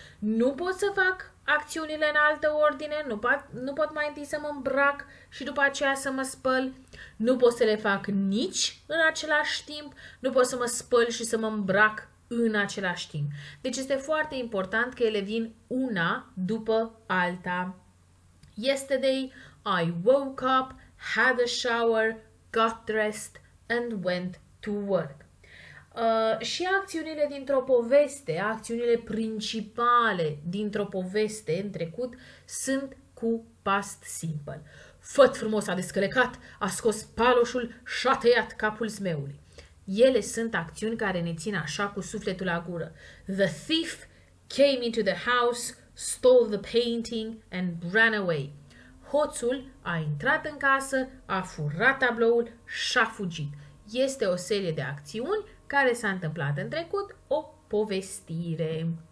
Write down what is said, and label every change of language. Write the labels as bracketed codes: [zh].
[ro] Nu pot să fac acțiunile în altă ordine, nu pot mai întâi să mă îmbrac și după aceea să mă spăl. Nu pot să le fac nici în același timp, nu pot să mă spăl și să mă îmbrac în același timp. Deci este foarte important că ele vin una după alta. [en] Yesterday, I woke up, had a shower, got dressed and went to work. [ro] Și acțiunile dintr-o poveste, acțiunile principale dintr-o poveste în trecut sunt cu past simple. Făt frumos a descălecat, a scos paloșul și a tăiat capul zmeului. Ele sunt acțiuni care ne țin așa cu sufletul la gură. [en] The thief came into the house, stole the painting and ran away. [ro] Hoțul a intrat în casă, a furat tabloul și a fugit. Este o serie de acțiuni care s-a întâmplat în trecut, o povestire.